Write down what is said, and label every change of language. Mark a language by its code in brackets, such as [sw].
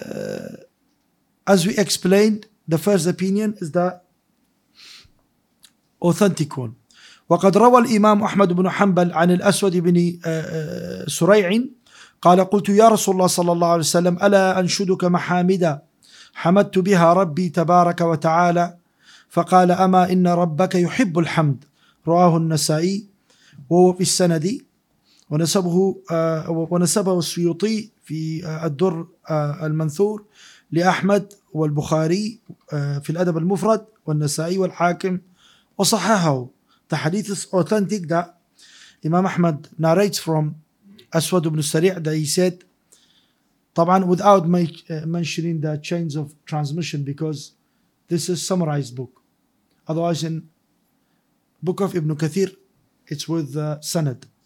[en] But as we explained, the first opinion is the authentic one. [ar] وقد روى الإمام أحمد بن حنبل عن الأسود بن سريع قال قلت يا رسول الله صلى الله عليه وسلم ألا أنشدك محامدا حمدت بها ربي تبارك وتعالى فقال أما إن ربك يحب الحمد رواه النسائي وهو في السند ونسبه السيوطي في الدر المنثور لأحمد والبخاري في الأدب المفرد والنسائي والحاكم وصححه. [en] The hadith is authentic that Imam Ahmad narrates from Aswad ibn Sari' that he said, طبعاً without mentioning the chains of transmission because this is a summarized book. Otherwise in book of Ibn Kathir, it's with the Sanad.